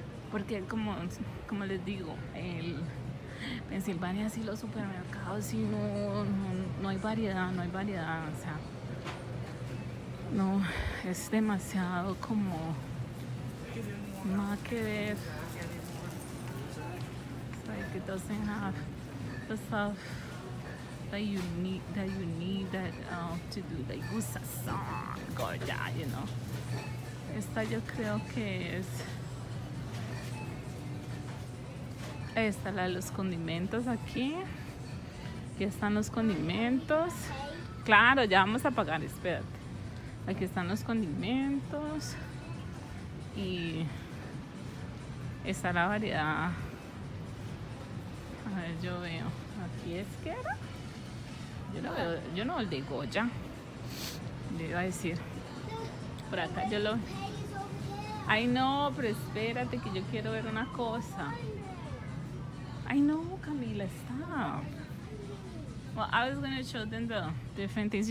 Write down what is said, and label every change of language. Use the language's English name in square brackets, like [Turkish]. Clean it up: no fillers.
[Spanish] Porque como les digo, en Pensilvania sí los supermercados sí no hay variedad, o sea, no, es demasiado como nada que ver. [English] It's like it doesn't have the stuff that you need to do, like usasong or that, you know. [Spanish] Esta yo creo que es... Esta la de los condimentos aquí. Aquí están los condimentos. Claro, ya vamos a pagar, espérate. Aquí están los condimentos. Y está la variedad. A ver, yo veo. Aquí es que era. Yo no veo el de Goya. Le iba a decir. Por acá yo lo. Ay, no, pero espérate que yo quiero ver una cosa. [English] I know, Camila, stop. Well, I was going to show them the different things.